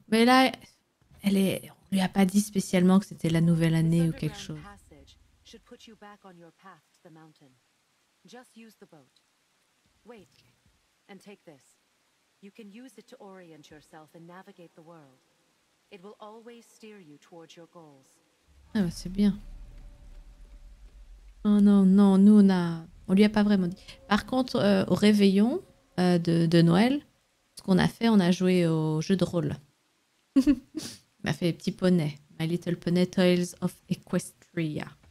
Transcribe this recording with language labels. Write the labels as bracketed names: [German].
[French] Mais là, on lui a pas dit spécialement que c'était la nouvelle année ou quelque chose. [English] This underground passage should put you back on your path to the mountain. Just use the boat. Wait. And take this. You can use it to orient yourself and navigate the world. It will always steer you towards your goals. [French] Ah bah c'est bien. Oh non, nous on lui a pas vraiment dit. Par contre, au réveillon de Noël, ce qu'on a fait, on a joué au jeu de rôle. Il m'a fait les petits poneys. My Little Pony Tales of Equestria.